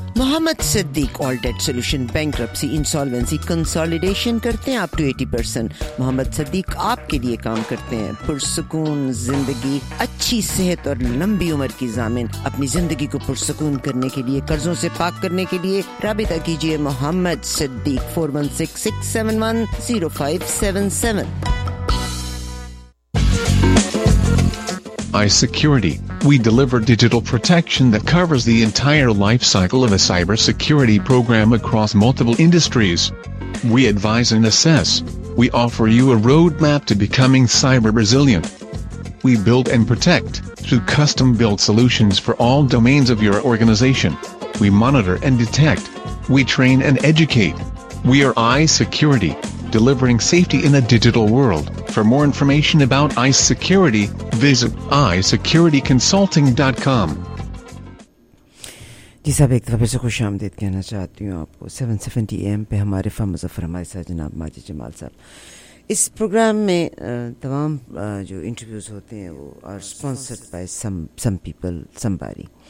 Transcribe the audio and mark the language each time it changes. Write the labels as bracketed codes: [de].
[ur] محمد صدیق آل date solution bankruptcy insolvency consolidation کرتے ہیں up to 80% محمد صدیق آپ کے لیے کام کرتے ہیں پرسکون زندگی اچھی صحت اور لمبی عمر کی ضامن اپنی زندگی کو پرسکون کرنے کے لیے قرضوں سے پاک کرنے کے لیے رابطہ کیجیے محمد صدیق 4166710577 [en] iSecurity. We deliver digital protection that covers the entire life cycle of a cybersecurity program across multiple industries. We advise and assess. We offer you a roadmap to becoming cyber resilient. We build and protect through custom-built solutions for all domains of your organization. We monitor and detect. We train and educate. We are iSecurity. Delivering safety in a digital world. For more information about iSecurity, visit iSecurityConsulting.com. [ur] جی صاحب ایک دفعہ پھر سے خوش آمدید کہنا چاہتی ہوں آپ کو 770 AM پہ ہمارے فہم مظفر ہمارے ساتھ جناب ماجد جمال صاحب اس پروگرام میں تمام جو انٹرویوز ہوتے ہیں وہ [en] are sponsored by some people [ur] some باری